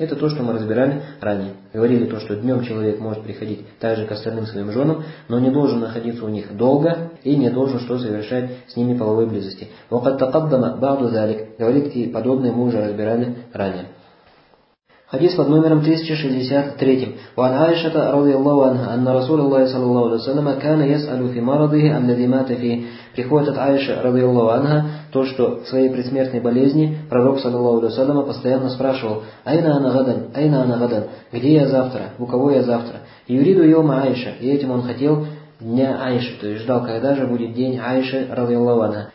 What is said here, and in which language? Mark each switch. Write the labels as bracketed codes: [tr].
[ru] Это то, что мы разбирали ранее. Говорили то, что днем человек может приходить так же к остальным своим женам, но не должен находиться у них долго и не должен что совершать с ними половой близости. [ar] Вакад такаддама баду залик, [ru] говорит, и подобное мы уже разбирали ранее. Хадис под номером 1063. [ar] وعن عائشة رضي الله عنها أن رسول الله صلى الله عليه وسلم كان يسأل في مرضه عن الذي مات فيه. [ru] Приходит от Аиши رضي الله عنها то, что в своей предсмертной болезни пророк саллаллаху алейхи ва саллям постоянно спрашивал: [ar] «Айна ана гадан? Айна ана гадан? [ru] Где я завтра? У кого я завтра?» [ar] Юриду йома Аиша, [ru] и этим он хотел дня Аиши, то есть ждал, когда же будет день Аиши رضي الله عنها.